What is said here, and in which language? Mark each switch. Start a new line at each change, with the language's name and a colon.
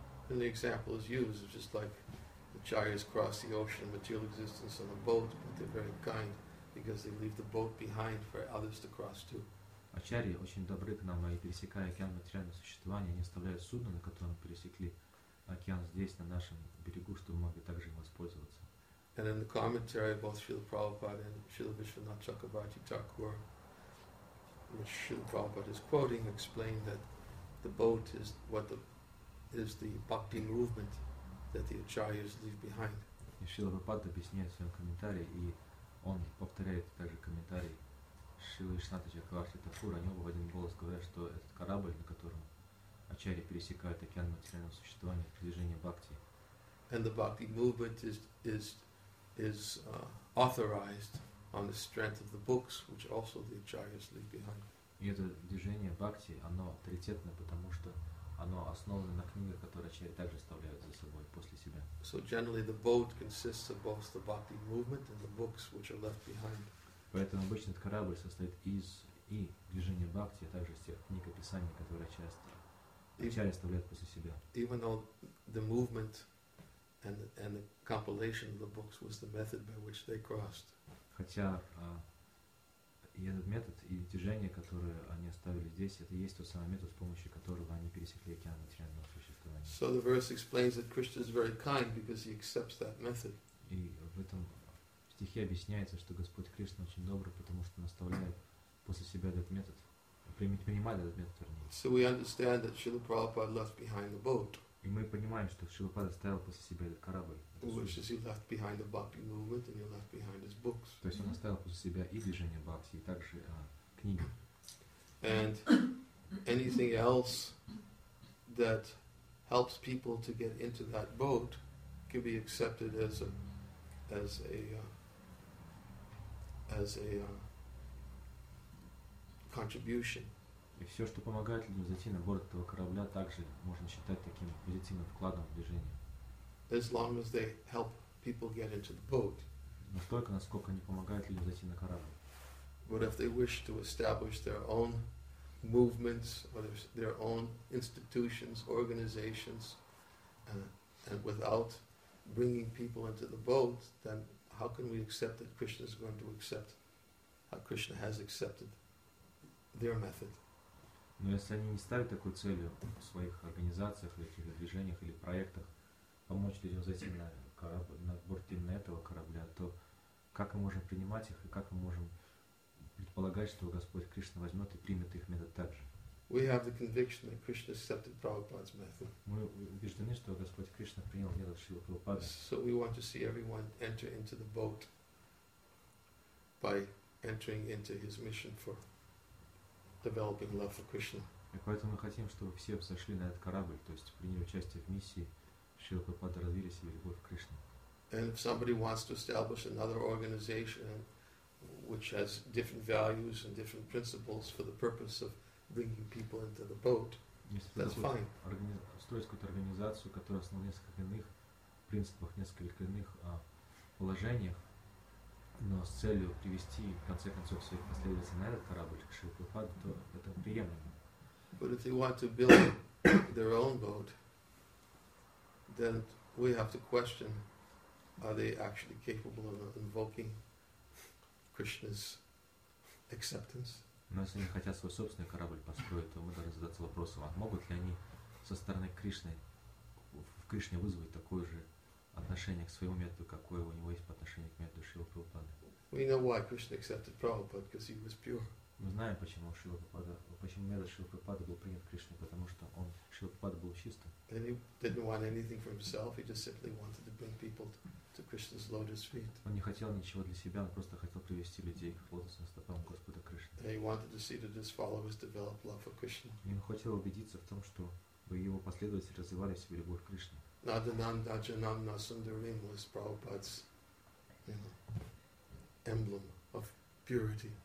English: And the example is used, just like the acharyas cross the ocean of material existence on a boat, but they're very kind because they leave the boat behind for others to cross to.
Russian: Ачарьи очень добры к нам, и пересекая океан материального существования, они оставляют судно, на котором пересекли океан здесь, на нашем берегу, чтобы могли также им воспользоваться.
English: And in the commentary of both Srila Prabhupada and Srila Vishwanath Chakravarti Thakur, which Srila Prabhupada is quoting, explained that the boat is the bhakti movement that the acharyas leave behind.
Russian: И Srila Prabhupada объясняет в своем комментарии, и он повторяет также комментарий Шрилы Вишнанта Чакраварти Такура, они оба в один голос говорят, что этот корабль, на котором ачарьи пересекают океан материального существования, движение бхакти.
English: And the bhakti movement is authorized on the strength of the books, which also the acharyas leave behind.
Russian: И это движение бхакти, оно авторитетно, потому что оно основано на книгах, которые ачарьи также оставляют за собой после себя.
English: So generally the boat consists of both the bhakti movement and the books which are left behind.
Russian: Поэтому обычно этот корабль состоит из и движения бхакти, а также из тех книг и писаний, которые ачарьи оставляют после себя.
English: Even though the movement and the compilation of the books was the method by which they crossed.
Russian: Хотя и этот метод, и движение, которое они оставили здесь, это есть тот самый метод, с помощью которого они пересекли океан материального существования.
English: So the verse explains that Krishna is very kind because he accepts that method.
Russian: И в этом в стихе объясняется, что Господь Кришна очень добрый, потому что наставляет после себя этот метод, принимает этот метод, вернее.
English: So we understand that Srila Prabhupada left behind the boat.
Russian: И мы понимаем, что Шрила Прабхупада оставил после себя этот корабль.
English: Which is he left behind the bhakti movement and he left behind his books.
Russian: То есть он оставил после себя и движение бхакти, и также книги.
English: And anything else that helps people to get into that boat can be accepted as a contribution
Russian: И все, что помогает людям зайти на борт этого корабля, также можно считать таким позитивным вкладом в движение.
English: As long as they help people get into the boat.
Russian: Настолько, насколько они помогают людям зайти на корабль.
English: But if they wish to establish their own movements or their own institutions, organizations, and without bringing people into the boat, then how can we accept that Krishna is going to accept how Krishna has accepted their method?
Russian: Но если они не ставят такой целью в своих организациях, в этих движениях или проектах помочь людям зайти на корабль, на борт именно этого корабля, то как мы можем принимать их и как мы можем предполагать, что Господь Кришна возьмет и примет их метод также?
English: We have the conviction that Krishna accepted Prabhupada's method.
Russian: Мы убеждены, что Господь Кришна принял метод Шрилы Прабхупады.
English: So we want to see everyone enter into the boat by entering into his mission for developing love for Krishna.
Russian: И поэтому мы хотим, чтобы все взошли на этот корабль, то есть приняли участие в миссии Шрилы Прабхупады, развили себе любовь к Кришне.
English: And if somebody wants to establish another organization which has different values and different principles for the purpose of bringing people into the boat, that's fine.
Russian: Строить какую-то организацию, которая основана на несколько иных принципах, несколько иных положениях, но с целью привести в конце концов своих последователей на этот корабль к Шриле Прабхупаде, то это приемлемо.
English: But if they want to build their own boat, then we have to question, are they actually capable of invoking Krishna's acceptance?
Russian: Но если они хотят свой собственный корабль построить, то мы должны задаться вопросом, а могут ли они со стороны Кришны, в Кришне вызвать такое же отношение к своему методу, какое у него есть по отношению к методу Шрилы Прабхупады?
English: We know why Krishna accepted Prabhupada, because he was pure.
Russian: Мы знаем, почему Шрила Прабхупада, почему метод Шрилы Прабхупады был принят Кришной, потому что он, Шрила Прабхупада, был чистым.
English: And he didn't want anything for himself, he just simply wanted to bring people to Krishna's lotus feet.
Russian: Он не хотел ничего для себя, он просто хотел привести людей к лотосным стопам Господа Кришны.
English: And he wanted to see that his followers develop love for Krishna.
Russian: И он хотел убедиться в том, что его последователи развивали в себе любовь к Кришне.
English: Nadananda Janamna Sundarim was Prabhupada's, you know, emblem of purity.